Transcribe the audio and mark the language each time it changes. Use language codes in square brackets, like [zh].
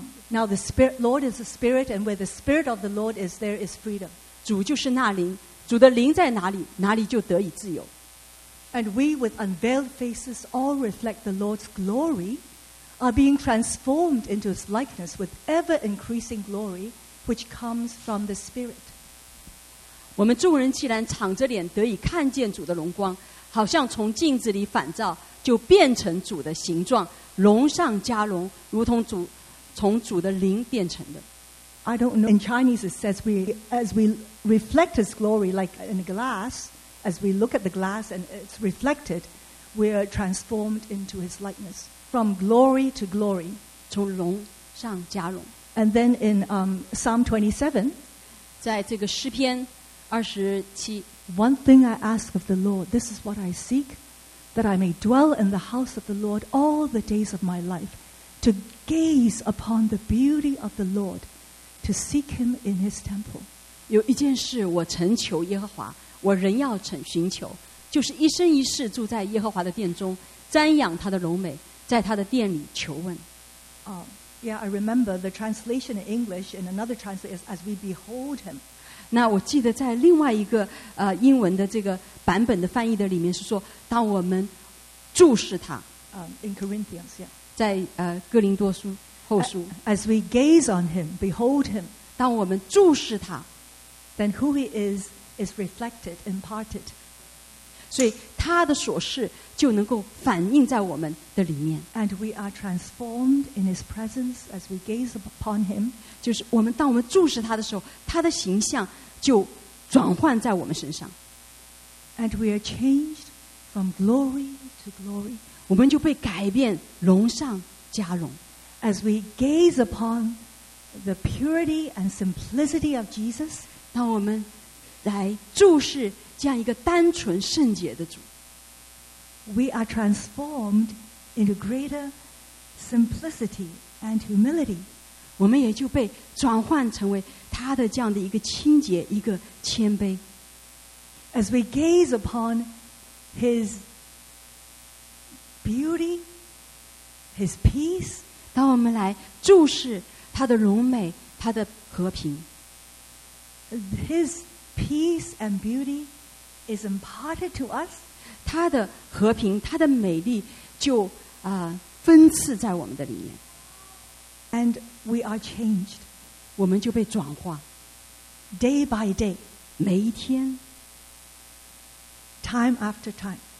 [en] now the spirit Lord is the spirit and where the spirit of the Lord is there is freedom [zh] 主就是那灵主的灵在哪里哪里就得以自由 [en] and we with unveiled faces all reflect the Lord's gloryare being transformed into his likeness with ever-increasing glory which comes from the Spirit. [zh] 我们众人既然敞着脸得以看见主的荣光好像从镜子里反照就变成主的形状荣上加荣如同主从主的灵变成的。 [en] I don't know. In Chinese it says as we reflect his glory like in a glass, as we look at the glass and it's reflected, we are transformed into his likeness. From glory to glory. [zh] 从荣上加荣。 [en] And then in Psalm 27, [zh] 在这个诗篇27, [en] One thing I ask of the Lord, this is what I seek, that I may dwell in the house of the Lord all the days of my life, to gaze upon the beauty of the Lord, to seek him in his temple. [zh] 有一件事我诚求耶和华，我仍要寻求，就是一生一世住在耶和华的殿中，瞻仰他的荣美。在他的殿里求问。 [en] Yeah, I remember the translation in English in another translation is as we behold him. [zh] 那我记得在另外一个英文的这个版本的翻译的里面是说，当我们注视他。 [en] In Corinthians, yeah. [zh] 在哥林多书后书。 [en] As we gaze on him, behold him. [zh] 当我们注视他 [en] then who he is reflected, imparted. [zh] 所以他的所事就能够反映在我们的里面。 [en] And we are transformed in his presence as we gaze upon him. [zh] 就是我们当我们注视他的时候，他的形象就转换在我们身上。 [en] And we are changed from glory to glory. [zh] 我们就被改变，荣上加荣。 [en] As we gaze upon the purity and simplicity of Jesus, [zh] 当我们来注视这样一个单纯圣洁的主 [en] ，we are transformed into greater simplicity and humility. [zh] 我们也就被转换成为他的这样的一个清洁，一个谦卑。 [en] As we gaze upon his beauty, his peace, [zh] 当我们来注视他的荣美，他的和平 [en] ，his peace and beauty is imparted to us. [zh] 他的和平，他的美丽就分赐在我们的里面。 [en] And we are changed. [zh] 我们就被转化。 [en] Day by day, [zh] 每一天。 [en] Time after time,